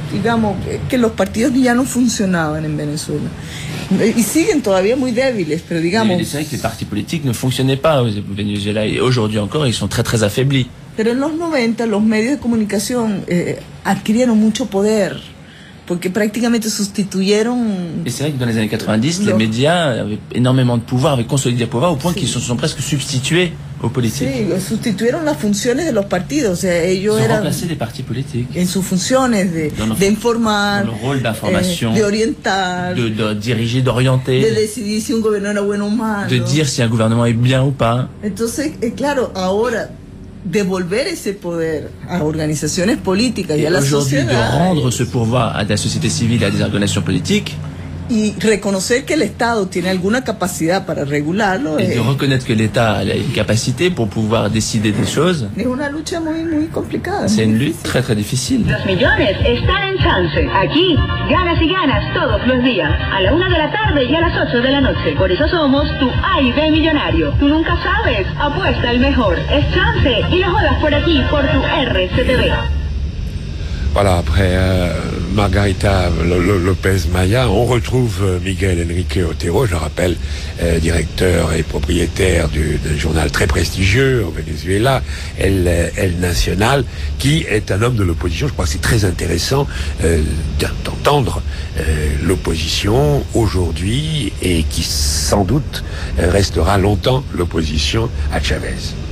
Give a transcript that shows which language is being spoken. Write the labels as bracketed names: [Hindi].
[Spanish] Digamos que los partidos ya no funcionaban en Venezuela. Y siguen todavía muy débiles, pero digamos. [French] Mais c'est vrai que les partis politiques ne fonctionnaient pas au Venezuela et aujourd'hui encore, ils sont très très affaiblis. [Spanish] Pero en los 90 los medios de comunicación adquirieron mucho poder porque prácticamente sustituyeron. [French] Et c'est vrai que dans les années 90, les médias avaient énormément de pouvoir, avaient consolidé le pouvoir au point qu'ils se sont presque substitués aux politiques. [Spanish] Sí, sustituyeron las funciones de los partidos, o sea, ellos [French] eran remplacés des partis politiques. [Spanish] En sus funciones d'informar, [French] dans le rôle d'information, [Spanish] de orientar, [French] de diriger, d'orienter, [Spanish] de decidir si un gobierno era bueno o malo, [French] de dire si un gouvernement est bien ou pas. [Spanish] Entonces, claro, ahora devolver ese poder a organizaciones políticas y a la sociedad. [French] Aujourd'hui, de rendre ce pouvoir à la société civile et à des organisations politiques. [Spanish] Y reconocer que el Estado tiene alguna capacidad para regularlo. [French] Et de reconnaître que l'État a une capacité pour pouvoir décider des choses. [Spanish] Es una lucha muy, muy complicada. [French] C'est une lutte très, très difficile. [Spanish] Los millones están en chance. Aquí, ganas y ganas todos los días. A la una de la tarde y a las ocho de la noche. Por eso somos tu A y B millonario. Tú nunca sabes. Apuesta el mejor. Es chance. Y lo juegas por aquí, por tu RCTV. [French] Voilà, après Margarita López Maya, on retrouve Miguel Enrique Otero, je le rappelle, directeur et propriétaire d'un journal très prestigieux au Venezuela, El Nacional, qui est un homme de l'opposition. Je crois que c'est très intéressant d'entendre l'opposition aujourd'hui et qui sans doute restera longtemps l'opposition à Chavez.